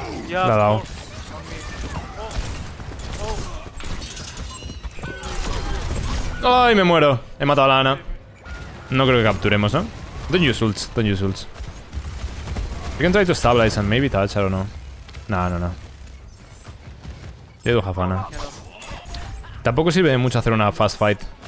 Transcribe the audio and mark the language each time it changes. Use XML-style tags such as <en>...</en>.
<es>La ha dado. ¡Ay, me muero! He matado a la Ana. No creo que capturemos, ¿no?</es> <en>Don't use ults, don't use ults. You can try to stabilize and maybe touch, I don't know.</en> <es>No, no, no. Yo dejo a Fana. Tampoco sirve de mucho hacer una fast fight.</es>